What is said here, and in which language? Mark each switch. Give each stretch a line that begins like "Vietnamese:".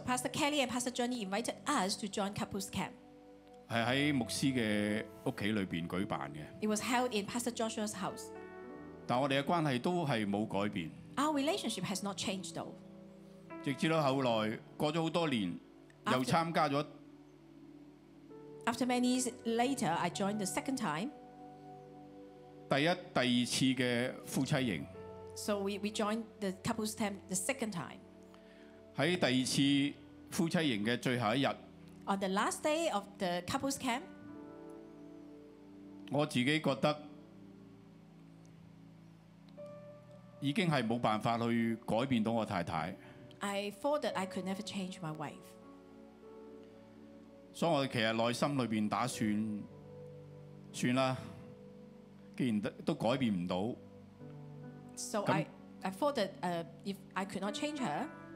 English: Pastor Kelly and Pastor Johnny invited us to join couples camp.
Cantonese: 係喺牧師嘅屋企裏邊舉辦嘅。It
English: was held in Pastor Joshua's house.
Cantonese: 但我哋嘅關係都係冇改變。Our
English: relationship has not changed though.
Cantonese: 直至到後來過咗好多年，又參加咗。
English: After many years later, I joined the second time.
Cantonese: 第二次嘅夫妻營。So
English: we joined the couple's camp the second time.
Cantonese: 喺第二次夫妻營嘅最後一日。
English: On the last day of the couples camp,
Cantonese: 我自己覺得已經係冇辦法去改變到我太太。
English: I thought that I could never change my wife。
Cantonese: 所以我其實內心裏邊打算，算啦，既然都改變唔到。
English: So I thought that if I could not change her。